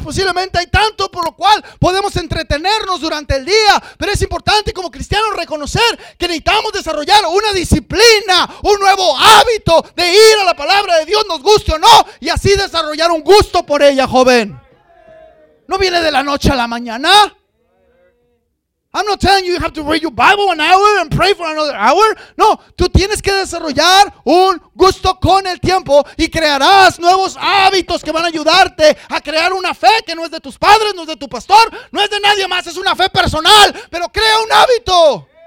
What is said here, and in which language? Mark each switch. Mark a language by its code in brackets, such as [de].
[es] Posiblemente hay tanto por lo cual podemos entretenernos durante el día. Pero es importante como cristianos reconocer que necesitamos desarrollar una disciplina, un nuevo hábito de ir a la palabra de Dios, nos guste o no, y así desarrollar un gusto por ella, joven. No viene de la noche a la mañana. [en] I'm not telling you you have to read your Bible an hour and pray for another hour. [es] No, tú tienes que desarrollar un gusto con el tiempo y crearás nuevos hábitos que van a ayudarte a crear una fe que no es de tus padres, no es de tu pastor, no es de nadie más, es una fe personal, pero crea un hábito.